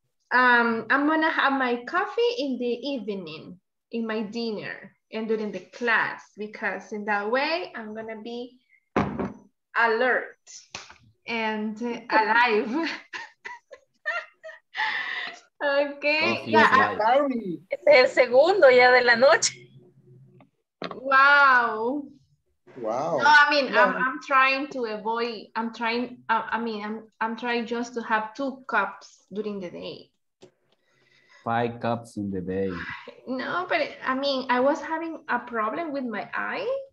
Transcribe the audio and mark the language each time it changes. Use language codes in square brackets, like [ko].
[en] I'm going to have my coffee in the evening, in my dinner, and during the class, because in that way, I'm going to be alert and alive. Okay. Yeah, [es] este es el segundo ya de la noche. [en] Wow. Wow. No, I mean, I'm trying just to have two cups during the day. Five cups in the day. No, but I mean, I was having a problem with my eye.